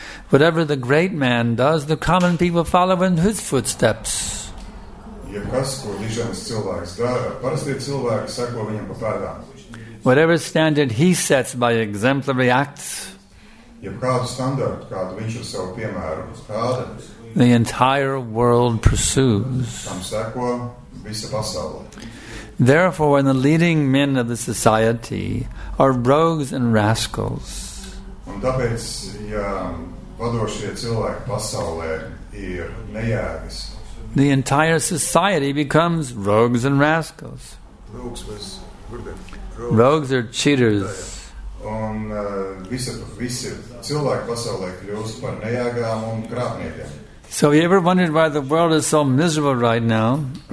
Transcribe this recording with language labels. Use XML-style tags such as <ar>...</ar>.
<en>Whatever the great man does, the common people follow in his footsteps.</en> <lv>ja kas, ko dižens cilvēks dara, parasti cilvēki seko viņam pa pēdām.</lv> <en>Whatever standard he sets by exemplary acts,</en> <lv>jebkādu standartu, kādu viņš ar savu piemēru uzrāda,</lv> <en>the entire world pursues.</en> <lv>Tam seko visa pasaule.</lv> <en>Therefore, when the leading men of the society are rogues and rascals,</en> <lv>un tāpēc, ja vadošie cilvēki pasaulē ir nejēgas,</lv> <en>the entire society becomes rogues and rascals. Rogues are cheaters.</en> <lv>Un visi cilvēki pasaulē kļūst par nejēgām un krāpniekiem.</lv> <en>So have you ever wondered why the world is so miserable right now?</en>